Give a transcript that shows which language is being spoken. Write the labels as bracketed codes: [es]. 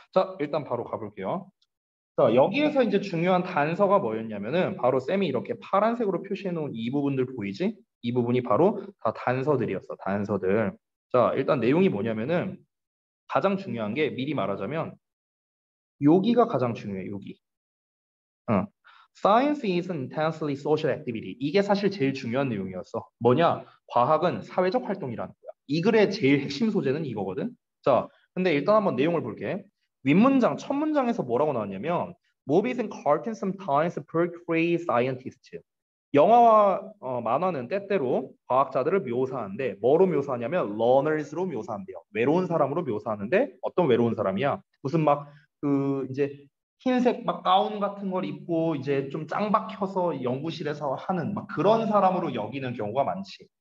[ko] 자, 일단 바로 가볼게요. 자, 여기에서 이제 중요한 단서가 뭐였냐면은 바로 쌤이 이렇게 파란색으로 표시해 놓은 이 부분들 보이지? 이 부분이 바로 다 단서들이었어, 단서들. 자, 일단 내용이 뭐냐면은 가장 중요한 게 미리 말하자면 여기가 가장 중요해, 여기. [en] Science is an intensely social activity. [ko] 이게 사실 제일 중요한 내용이었어. 뭐냐? 과학은 사회적 활동이라는 거야. 이 글의 제일 핵심 소재는 이거거든. 자, 근데 일단 한번 내용을 볼게. 윗문장, 첫 문장에서 뭐라고 나왔냐면 [en] Movies and cartoons sometimes portray scientists. [ko] 영화와 만화는 때때로 과학자들을 묘사한대. 뭐로 묘사하냐면 러너스로 묘사한대요. 외로운 사람으로 묘사하는데 어떤 외로운 사람이야? 무슨 막그 이제 흰색 막 가운 같은 걸 입고 이제 좀 짱박혀서 연구실에서 하는 막 그런 사람으로 여기는 경우가 많지.